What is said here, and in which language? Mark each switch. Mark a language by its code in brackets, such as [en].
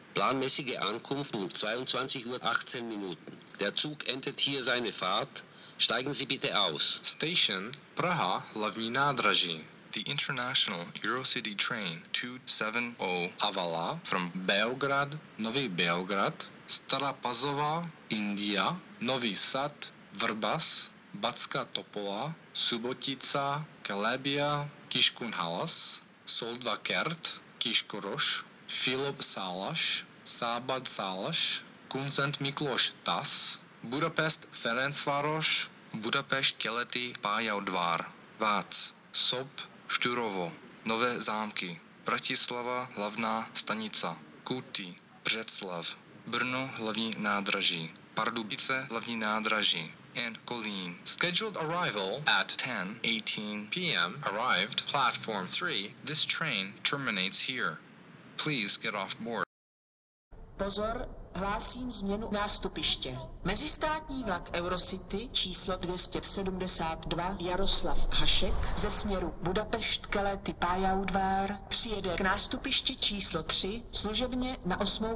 [de] Planmäßige Ankunft um 22 Uhr 18 Minuten. Der Zug endet hier seine Fahrt. Steigen Sie bitte aus. [cs] Station Praha, hlavní nádraží. [en] The international Eurocity train 270 Avala from Beograd, Nový Beograd, Stara Pazova, India, Nový Sad, Vrbas, Backa Topola, Subotica, Kelebia, Kiskunhalas, Szoldvakert, Kiskoros, Fulpsalas, Szabadszalas, Kunszentmiklós TASZ, Budapest Ferencváros, Budapest Keleti Pályaudvar, Vác, Szop, Štúrovo, Nové Zámky, Bratislava hlavná stanica, Kúty, Břeclav, Brno hlavní nádraží, Pardubice hlavní nádraží and Kolín. Scheduled arrival at 10:18 p.m. arrived platform 3. This train terminates here. Please get off board. [cs] Pozor, hlásím změnu nástupiště. Mezistátní vlak Eurocity číslo 272 Jaroslav Hašek ze směru Budapešť Keleti Pályaudvar přijede k nástupišti číslo 3 služebně na 8.